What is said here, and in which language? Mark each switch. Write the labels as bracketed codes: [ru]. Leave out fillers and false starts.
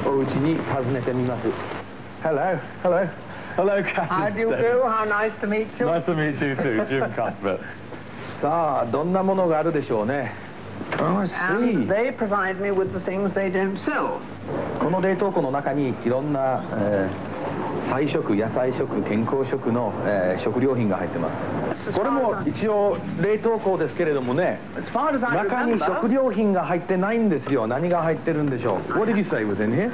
[ja] こんにちは。わあ、本格的に秋になってしまったのね。寒いわ。こんなひどい雨。ここはロンドンより車で約1時間ぐらい西の方にあるダチェっていう町なの。で、それのホートンロードの138番に住んでるキャプテンモリス・セドンさんのお家に訪ねてみます。 [en] Hello, hello. Hello, Captain. How do you do? How nice to meet you. Nice to meet you too, Jim Cuthbert. [ja] さあ、どんなものがあるでしょうね? [en] Oh, I see. And they provide me with the things they don't sell. [ja] この冷凍庫の中にいろんな菜食、野菜食、健康食の食料品が入ってます。これも一応冷凍庫ですけれどもね。 [en] As far as I remember. [ja] 中に食料品が入ってないんですよ。何が入ってるんでしょう? [en] What did you say was in here?